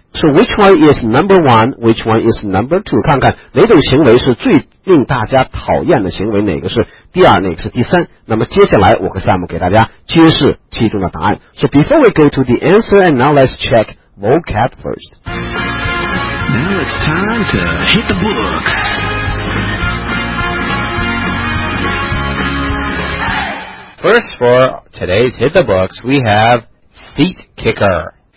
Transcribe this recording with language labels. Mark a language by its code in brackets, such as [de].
[en] So which one is number one, which one is number two? [zh] 看看哪种行为是最令大家讨厌的行为，哪个是第二，哪个是第三。那么接下来我和 Sam 给大家揭示其中的答案。 [en] So before we go to the answer, and now let's check vocab first. Now it's time to hit the books. First, for today's Hit the Books, we have Seat Kicker.